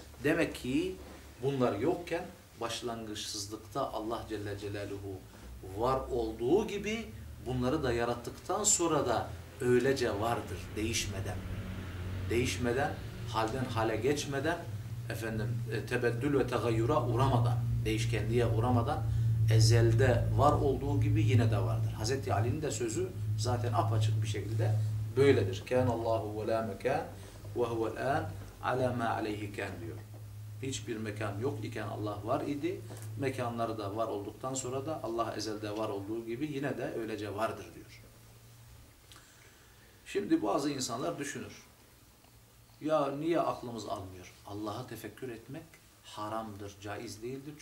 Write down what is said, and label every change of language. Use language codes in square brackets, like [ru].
[tr] Demek ki bunlar yokken başlangıçsızlıkta Allah Celle Celaluhu var olduğu gibi bunları da yarattıktan sonra da öylece vardır değişmeden. Değişmeden, halden hale geçmeden, efendim tebeddül ve tegayyura uğramadan, değişkenliğe uğramadan ezelde var olduğu gibi yine de vardır. Hazreti Ali'nin de sözü zaten apaçık bir şekilde böyledir. [ar] كَانَ اللّٰهُ وَلَا مَكَانْ وَهُوَ الْاَنْ عَلَى مَا عَلَيْهِ كَانْ [tr] diyor. Hiçbir mekan yok iken Allah var idi. Mekanları da var olduktan sonra da Allah ezelde var olduğu gibi yine de öylece vardır diyor. Şimdi bazı insanlar düşünür. Ya niye aklımız almıyor? Allah'a tefekkür etmek haramdır, caiz değildir.